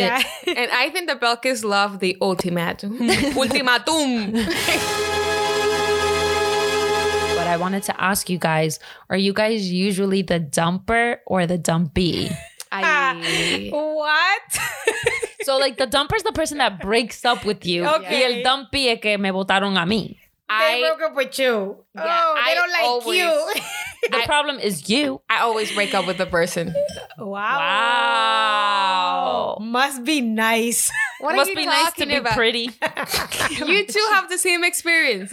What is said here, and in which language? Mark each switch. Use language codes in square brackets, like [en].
[en] Yeah. And I think the Belkis love the ultimatum. Ultimatum. But I wanted to ask you guys, are you guys usually the dumper or the dumpee? What? So like the dumper is the person that breaks up with you. Okay. [es] Y el dumpy es que me botaron a mí. [en] They broke up with you. Yeah, oh, they don't like you. The problem is you. I always break up with the person. Wow. Must be nice. What must are you be talking nice to about? Be pretty. You two have the same experience.